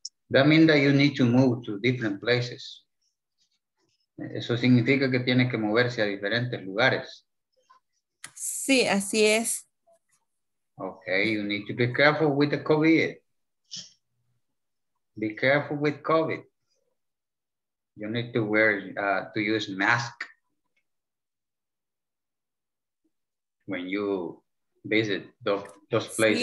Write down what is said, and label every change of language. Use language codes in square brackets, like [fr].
[en] That means that you need to move to different places. [es] Eso significa que tiene que moverse a diferentes lugares. Sí, así es. [en] Okay, you need to be careful with the COVID. Be careful with COVID. You need to wear, to use mask when you visit those places.